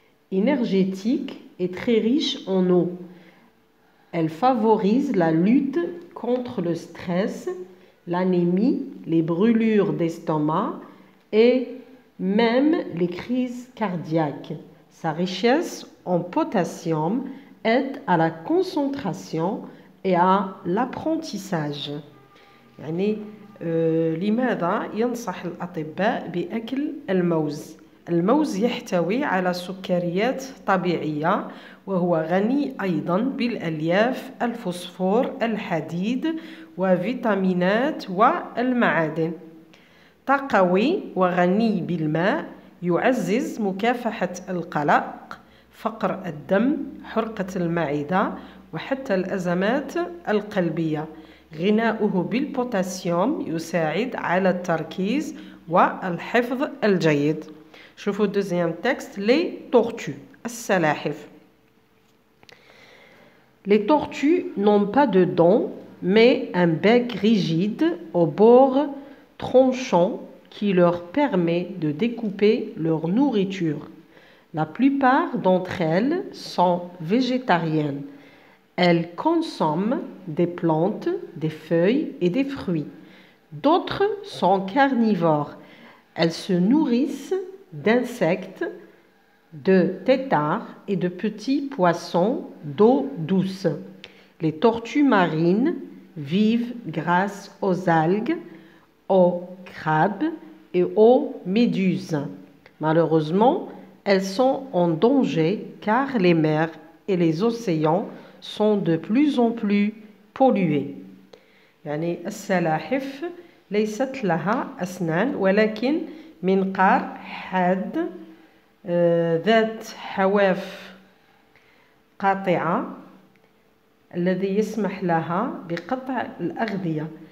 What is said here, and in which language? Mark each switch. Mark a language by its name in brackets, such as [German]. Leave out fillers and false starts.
[French] Énergétique et très riche en eau. Elle favorise la lutte contre le stress, l'anémie, les brûlures d'estomac et même les crises cardiaques. Sa richesse en potassium aide à la concentration et à l'apprentissage. [Arabic] يعني لماذا ينصح الأطباء بأكل الموز؟ الموز يحتوي على سكريات طبيعية وهو غني أيضا بالألياف الفوسفور الحديد وفيتامينات والمعادن. طاقوي وغني بالماء يعزز مكافحة القلق، فقر الدم، حرقة المعدة وحتى الأزمات القلبية. غناؤه بالبوتاسيوم يساعد على التركيز والحفظ الجيد. شوفوا الدوزيام تكست لي تورتو السلاحف. [French] Les tortues n'ont pas de dents, mais un bec rigide au bord tranchant qui leur permet de découper leur nourriture. La plupart d'entre elles sont végétariennes. Elles consomment des plantes, des feuilles et des fruits. D'autres sont carnivores. Elles se nourrissent d'insectes, de têtards et de petits poissons d'eau douce. Les tortues marines vivent grâce aux algues, aux crabes, et aux méduses. Malheureusement, elles sont en danger car les mers et les océans sont de plus en plus pollués. [Arabic] يعني السلاحف ليست لها أسنان ولكن منقار حاد ذات حواف قاطعة الذي يسمح لها بقطع الأغذية.